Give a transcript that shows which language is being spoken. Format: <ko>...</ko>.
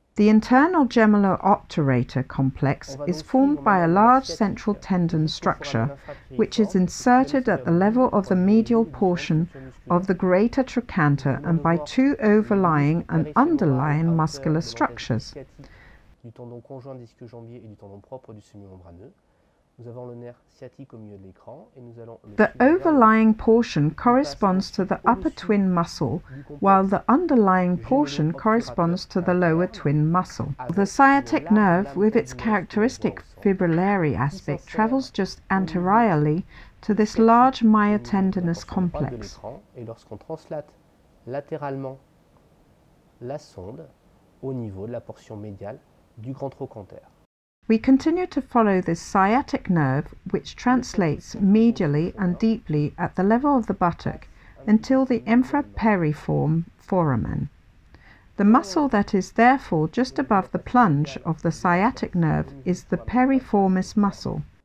<en>The internal gemellar obturator complex is formed by a large central tendon structure which is inserted at the level of the medial portion of the greater trochanter and by two overlying and underlying muscular structures.</en> <fr>Du tendon conjoint disque jambier et du tendon propre du semi-membraneux. Nous avons le nerf sciatique au milieu de l'écran et nous allons.</fr> <en>The overlying portion corresponds to the upper twin muscle, while the underlying portion corresponds to the lower twin muscle. The sciatic nerve, with its characteristic fibrillary aspect, travels just anteriorly to this large myotendinous complex.</en> <fr>Et lorsqu'on translate latéralement la sonde au niveau de la portion médiale du grand trochanter.</fr> <en>We continue to follow this sciatic nerve, which translates medially and deeply at the level of the buttock until the infraperiform foramen. The muscle that is therefore just above the plunge of the sciatic nerve is the periformis muscle.</en>